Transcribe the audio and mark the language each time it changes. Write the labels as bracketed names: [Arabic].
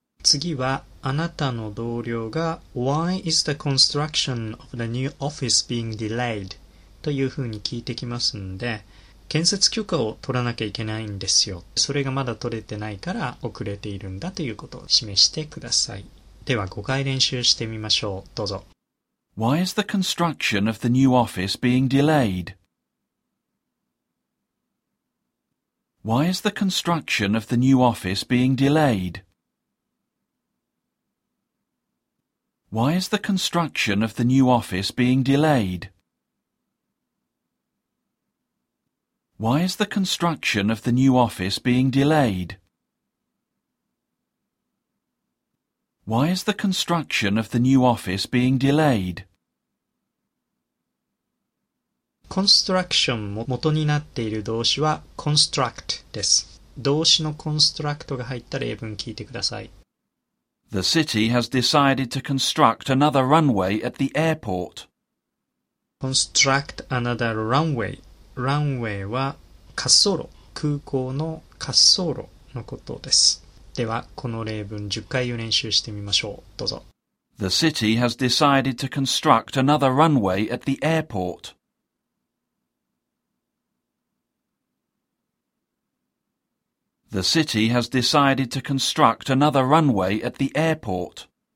[Japanese] 次はあなたの同僚が [English] Why is the construction of the new office being delayed? [Japanese] というふうに聞いてきますんで建設許可を取らなきゃいけないんですよ。それがまだ取れてないから遅れているんだということを示してください。では5回練習してみましょう。どうぞ。 [English] Why is the construction of the new office being delayed? Why is the construction of the new office being delayed? Why is the construction of the new office being delayed? Why is the construction of the new office being delayed? Why is the construction of the new office being delayed? [Japanese] Construction も元になっている動詞は construct です。動詞の construct が入った例文聞いてください。 [English] The city has decided to construct another runway at the airport. Construct another runway. [Japanese] Runway は滑走路、空港の滑走路のことです。ではこの例文10回を練習してみましょう。どうぞ。 [English] The city has decided to construct another runway at the airport. The city has decided to construct another runway at the airport.